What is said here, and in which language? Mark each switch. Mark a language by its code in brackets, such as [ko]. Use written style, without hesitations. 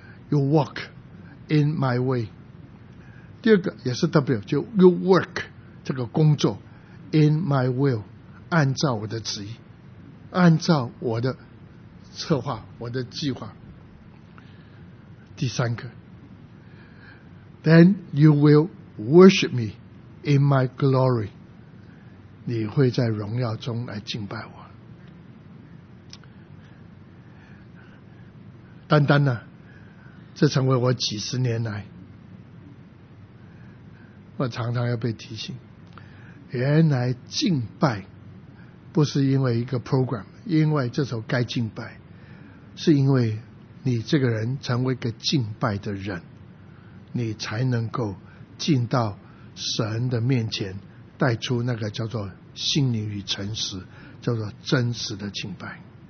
[en] You walk in my way。 [zh] 第二个也是 W， 就 [en] You work [zh] 这个工作 [en] in my will， [zh] 按照我的旨意，按照我的策划，我的计划。第三个 [en] Then you will worship me in my glory， [zh] 你会在荣耀中来敬拜我。单单呢，这成为我几十年来我常常要被提醒，原来敬拜不是因为一个 program， 因为这时候该敬拜，是因为你这个人成为一个敬拜的人，你才能够进到神的面前，带出那个叫做心灵与诚实，叫做真实的敬拜。